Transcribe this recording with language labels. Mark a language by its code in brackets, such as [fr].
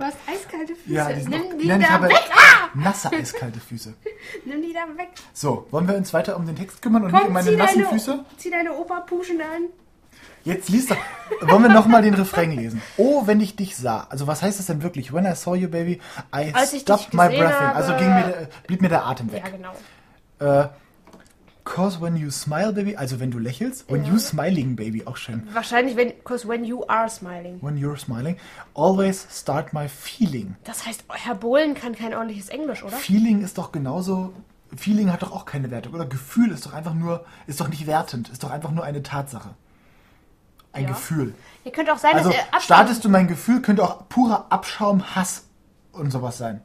[de] Du hast eiskalte Füße. Ja, Nimm die da weg. Nasse eiskalte Füße. Nimm die da weg. So, wollen wir uns weiter um den Text kümmern und nicht um meine nassen Füße? Zieh deine Opa-Puschen an. Jetzt liest doch. Wollen wir nochmal den Refrain lesen? Oh, wenn ich dich sah. Also was heißt das denn wirklich? [en] When I saw you, baby, I stopped my breathing. [de] Also blieb mir der Atem weg. Ja, genau. [en] Cause when you smile, baby, [de] also wenn du lächelst. [en] When you smiling, baby, [de] auch schön. Wahrscheinlich, [en] cause when you are smiling. When you're smiling. Always start my feeling. [de] Das heißt, Herr Bohlen kann kein ordentliches Englisch, oder? Feeling ist doch genauso... Feeling hat doch auch keine Wertung. Oder Gefühl ist doch einfach nur, ist doch nicht wertend. Ist doch einfach nur eine Tatsache. Ein Gefühl. Ihr könnt auch sein, also, dass ihr startest du mein Gefühl, könnte auch purer Abschaum, Hass und sowas sein.